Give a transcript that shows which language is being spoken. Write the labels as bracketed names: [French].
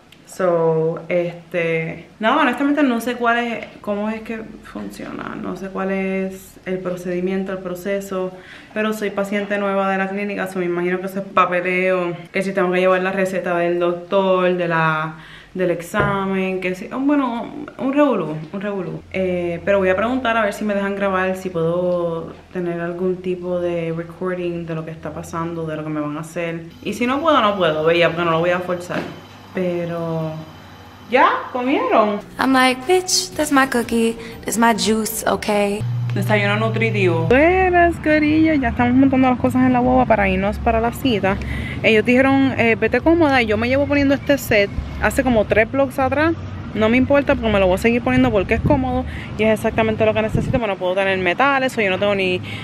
[Spanish] So, nada, honestamente no sé cómo es que funciona, no sé cuál es el procedimiento, el proceso, pero soy paciente nueva de la clínica, so me imagino que eso es papeleo, que si tengo que llevar la receta del doctor, del examen, que sí, bueno, un revolú. Pero voy a preguntar a ver si me dejan grabar, si puedo tener algún tipo de recording de lo que está pasando, de lo que me van a hacer. Y si no puedo, no puedo, veía, porque no lo voy a forzar. Pero ya comieron. [English] I'm like, bitch, that's my cookie, that's my juice, okay. [Spanish] Desayuno nutritivo. Buenas, cariño. Ya estamos montando las cosas en la boba para irnos para la cita. Ellos dijeron, vete cómoda. Y yo me llevo poniendo este set hace como 3 vlogs atrás. No me importa porque me lo voy a seguir poniendo porque es cómodo y es exactamente lo que necesito, pero no puedo tener metales o yo no tengo ni...